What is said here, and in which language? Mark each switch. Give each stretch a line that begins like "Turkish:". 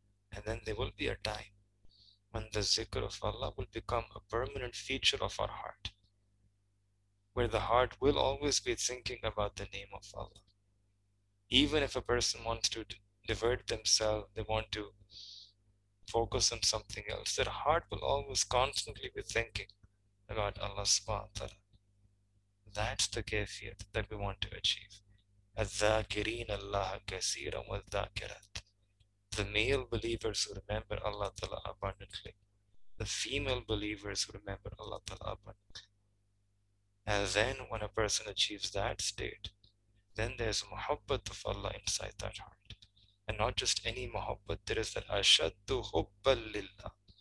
English: And then there will be a time when the zikr of Allah will become a permanent feature of our heart, where the heart will always be thinking about the name of Allah. Even if a person wants to divert themselves, they want to focus on something else, their heart will always constantly be thinking about Allah subhanahu wa ta'ala. That's the kafiyat that we want to achieve.
Arabic: الذاكرين الله كثيرا والذاكرات.
English: The male believers who remember Allah Ta'ala abundantly. The female believers who remember Allah Ta'ala abundantly. And then when a person achieves that state, then there's muhabbat of Allah inside that heart. And not just any muhabbat, there is that ashaddu hubbal lillah.